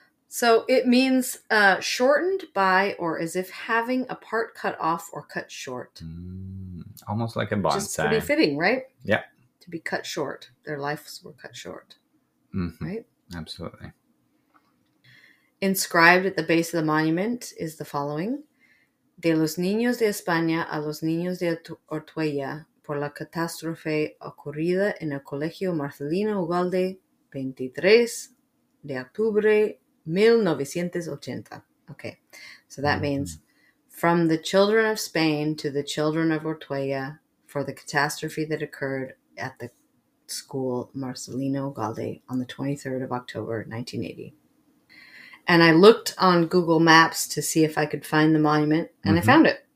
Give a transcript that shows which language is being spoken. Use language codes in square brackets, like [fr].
[en] So it means shortened by or as if having a part cut off or cut short. Mm, almost like a bonsai. Just pretty fitting, right? Yeah. To be cut short. Their lives were cut short. Mm-hmm. Right? Absolutely. Inscribed at the base of the monument is the following. [es] De los niños de España a los niños de Ortuella por la catástrofe ocurrida en el colegio Marcelino Ugalde 23 de octubre 1980. [en] Okay, so that mm-hmm. means from the children of Spain to the children of Ortuella for the catastrophe that occurred at the school Marcelino Ugalde on the 23rd of October 1980. And I looked on Google Maps to see if I could find the monument, and mm-hmm. I found it.